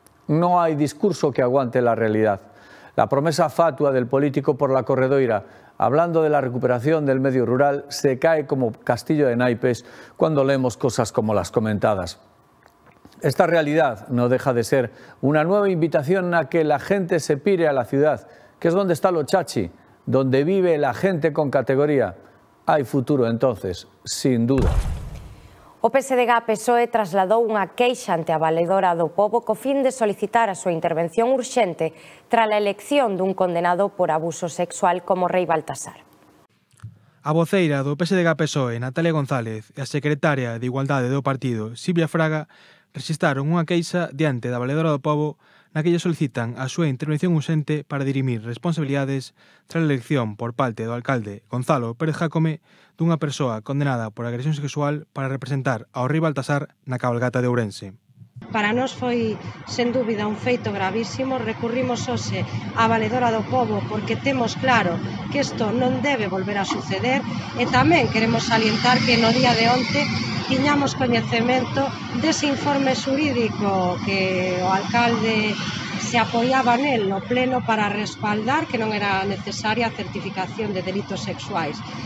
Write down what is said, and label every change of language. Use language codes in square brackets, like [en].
[es] No hay discurso que aguante la realidad. La promesa fatua del político por la corredoira, hablando de la recuperación del medio rural, se cae como castillo de naipes cuando leemos cosas como las comentadas. Esta realidad no deja de ser una nueva invitación a que la gente se pire a la ciudad, que es donde está lo chachi, donde vive la gente con categoría. Hay futuro entonces, sin duda. [gl] O PSDG PSOE trasladou unha queixa ante a valedora do Pobo co fin de solicitar a súa intervención urxente tras a elección dun condenado por abuso sexual como Rei Baltasar. A voceira do PSDG PSOE, Natalia González, e a secretaria de Igualdade do Partido, Silvia Fraga, rexistaron unha queixa diante da valedora do Pobo na que lle solicitan a súa intervención urxente para dirimir responsabilidades tras a elección por parte do alcalde Gonzalo Pérez Jácome dunha persoa condenada por agresión sexual para representar ao Rei Baltasar na cabalgata de Ourense. Para nós foi, sen dúbida, un feito gravísimo. Recurrimos hoxe á valedora do Pobo porque temos claro que isto non debe volver a suceder e tamén queremos salientar que no día de onte tiñamos coñecemento dese informe xurídico que o alcalde se apoiaba nel no pleno para respaldar que non era necesaria a certificación de delitos sexuais.